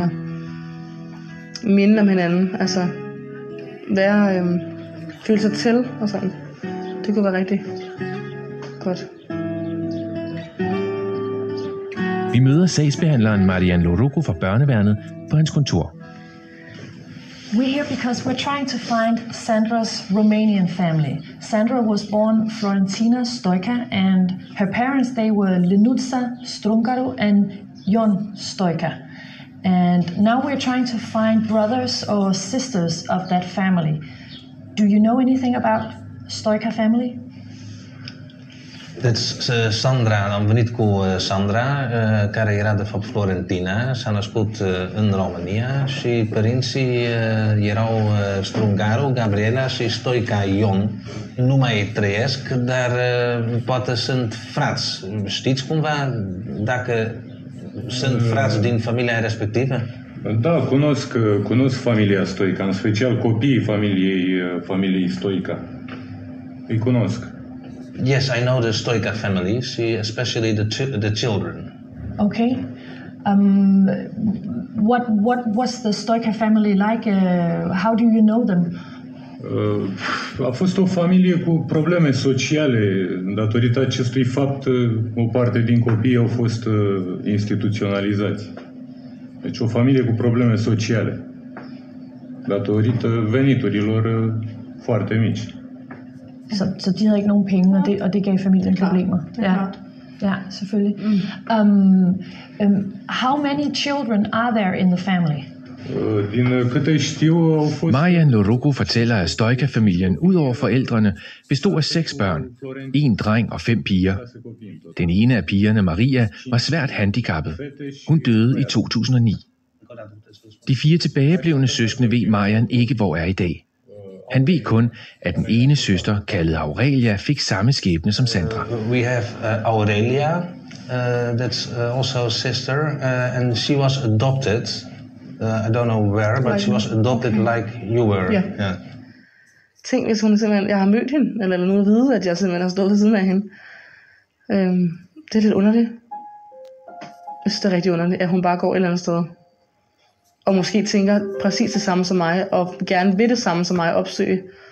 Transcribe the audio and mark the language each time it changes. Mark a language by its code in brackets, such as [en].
[da] Og minde om hinanden. Altså, være... føle sig til og sådan. Det kunne være rigtig godt. Vi møder sagsbehandleren Marianne Loruco fra børneværnet på hans kontor. [en] We're here because we're trying to find Sandra's Romanian family. Sandra was born Florentina Stoyka, and her parents, they were Linuța Strungaru and Ion Stoyka. And now we're trying to find brothers or sisters of that family. Do you know anything about Stoyka family? That's Sandra, [ro] am venit cu Sandra, care era de fapt Florentina, s-a născut în România și părinții erau Strungaru, Gabriela și Stoyka Ion. Nu mai trăiesc, dar poate sunt frați. Știți cumva dacă sunt frați din familia respectivă? Da, cunosc familia Stoyka, în special copiii familiei Stoyka. Îi cunosc. [en] Yes, I know the Stoyka family, especially the children. Okay. What was the Stoyka family like? How do you know them? [ro] A fost o familie cu probleme sociale. Datorită acestui fapt, o parte din copii au fost instituționalizați. Deci o familie cu probleme sociale, datorită veniturilor foarte mici. [da] Så de havde ikke nogen penge, og det gav familien problemer. Ja, ja, selvfølgelig. Mm. [en] How many children are there in the family? [ro] Din câte știu, au fost... [da] Marian Loruco fortæller, at Stoyka-familien, udover forældrene, bestod af 6 børn, 1 dreng og 5 piger. Den ene af pigerne, Maria, var svært handicappet. Hun døde i 2009. De 4 tilbageblevende søskende ved Marian ikke, hvor er i dag. Han ved kun, at den ene søster, kaldet Aurelia, fik samme skæbne som Sandra. [en] We have Aurelia, that's also a sister, and she was adopted. I don't know where, but she was adopted like you were. Yeah. [da] Tænk, hvis hun simpelthen, jeg har mødt hende, eller nogen ved, at jeg simpelthen har stået ved siden af hende. Det er lidt underligt. Jeg synes, det er rigtig underligt, at hun bare går et eller andet sted. Og måske tænker præcis det samme som mig, og gerne vil det samme som mig opsøge.